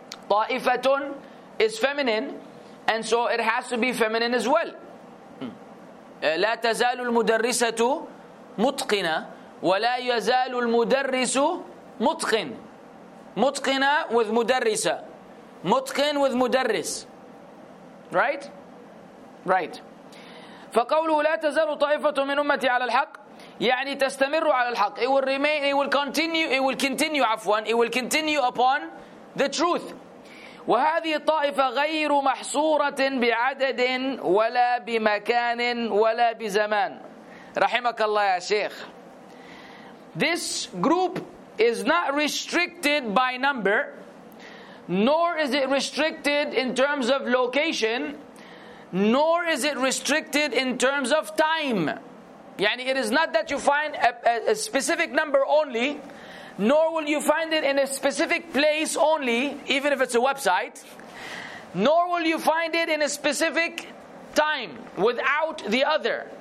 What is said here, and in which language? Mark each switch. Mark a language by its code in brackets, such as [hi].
[en] طائفة is feminine, and so it has to be feminine as well. [ar] لا تزال المدرسة متقنة ولا يزال المدرس متقن. متقنة with مدرسة. متقن with مدرس. [en] Right? Right. [ar] فقوله لا تزال طائفة من أمتي على الحق يعني تستمر على الحق. [en] It will remain, it will continue upon the truth. [ar] وهذه الطائفة غير محصورة بعدد ولا بمكان ولا بزمان. رحمك الله يا شيخ. [en] This group is not restricted by number, nor is it restricted in terms of location, nor is it restricted in terms of time. Yani it is not that you find a specific number only, nor will you find it in a specific place only, even if it's a website, nor will you find it in a specific time without the other.